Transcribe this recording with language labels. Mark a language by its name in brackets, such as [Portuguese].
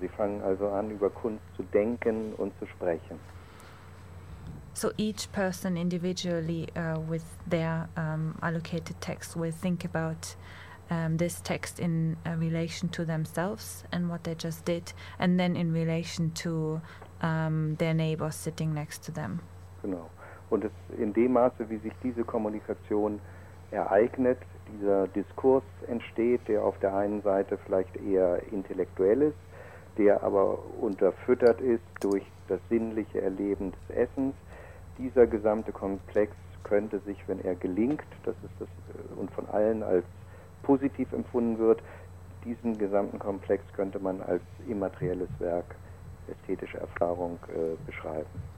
[German] Sie fangen also an, über Kunst zu denken und zu sprechen. [English] So each person individually with their allocated text will think about this text in relation to themselves and what they just did, and then in relation to their neighbors sitting next to them. [German] Genau. Und es in dem Maße, wie sich diese Kommunikation ereignet, dieser Diskurs entsteht, der auf der einen Seite vielleicht eher intellektuell ist, der aber unterfüttert ist durch das sinnliche Erleben des Essens. Dieser gesamte Komplex könnte sich, wenn er gelingt, das ist das und von allen als positiv empfunden wird, diesen gesamten Komplex könnte man als immaterielles Werk ästhetische Erfahrung beschreiben.